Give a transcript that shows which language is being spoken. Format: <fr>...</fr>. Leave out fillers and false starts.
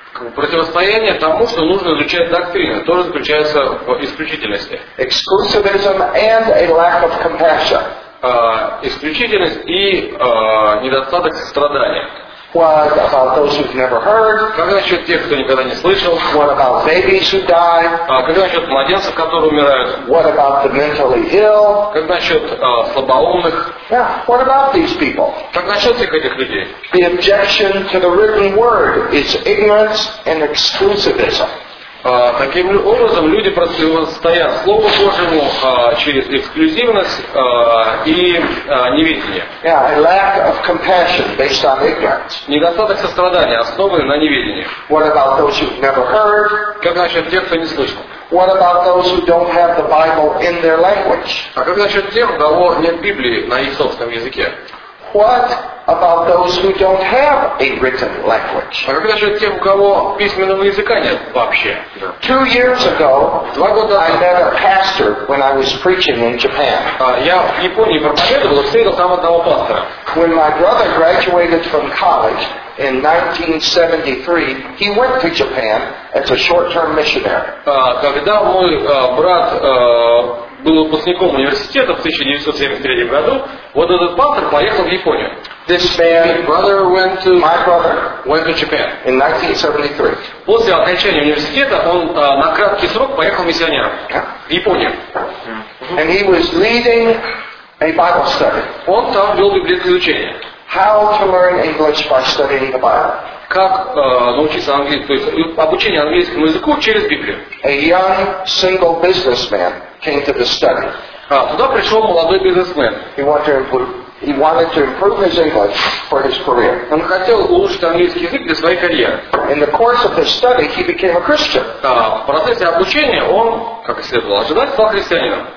<ru>противостояние тому, что нужно изучать доктрины, тоже заключается в исключительности.</ru> <en>Exclusivism and a lack of compassion.</en> <ru>Исключительность и недостаток сострадания.</ru> <en>What about those who've never heard?</en> <ru>Как насчет тех, кто никогда не слышал?</ru> <en>What about babies who die?</en> <ru>Как насчет младенцев, которые умирают?</ru> <en>What about the mentally ill?</en> <ru>Как насчет слабоумных?</ru> <en>Yeah. What about these people?</en> <ru>Как насчет всех этих людей?</ru> <en>The objection to the written word is ignorance and exclusivism.</en> <ru>Таким образом, люди противостоят Слову Божьему через эксклюзивность и неведение.</ru> <en>Yeah, a lack of compassion based on ignorance.</en> <ru>Недостаток сострадания, основанный на неведении.</ru> <en>What about those who've never heard?</en> <ru>Как насчет тех, кто не слышал?</ru> <en>What about those who don't have the Bible in their language?</en> <ru>А как насчет тех, у кого нет Библии на их собственном языке?</ru> <en>What about those who don't have a written language?</en> <ru>А как насчет тех, у кого письменного языка нет вообще?</ru> <en>Two years ago, I met a pastor when I was preaching in Japan.</en> <ru>Я в Японии проповедовал, встретил там одного пастора.</ru> <en>When my brother graduated from college in 1973, he went to Japan as a short-term missionary.</en> <ru>Когда мой брат был выпускником университета в 1973 году, вот этот пастор поехал в Японию.</ru> <en>This man, my brother, went to Japan in 1973.</en> <ru>После окончания университета он на краткий срок поехал миссионером в Японию.</ru> <en>And he was leading a Bible study.</en> <ru>Он там вел библейское изучение.</ru> <en>How to learn English by studying the Bible.</en> <ru>Как научиться английскому, то есть обучение английскому языку через Библию.</ru> <en>A young single businessman came to the study.</en> <ru>Туда пришел молодой бизнесмен.</ru> <en>He wanted to improve his English for his career.</en> <ru>Он хотел улучшить английский язык для своей карьеры.</ru> <en>In the course of his study, he became a Christian.</en> <ru>В процессе обучения он, как и следовало ожидать, стал христианином.</ru>